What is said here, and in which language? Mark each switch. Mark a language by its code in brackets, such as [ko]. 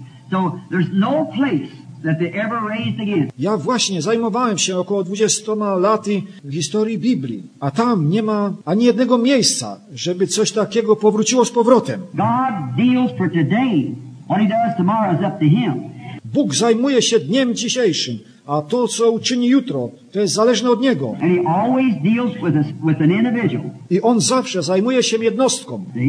[en] So there's no place that they ever raised again. [pl] Ja właśnie zajmowałem się około 20 laty w historii Biblii, a tam nie ma ani jednego miejsca, żeby coś takiego powróciło z powrotem. [en] God deals for today. What he does tomorrow is up to him. [pl] Bóg zajmuje się dniem dzisiejszym, a to, co uczyni jutro, to jest zależne od Niego. [en] And he always deals with us, with an individual. [pl] I On zawsze zajmuje się jednostką.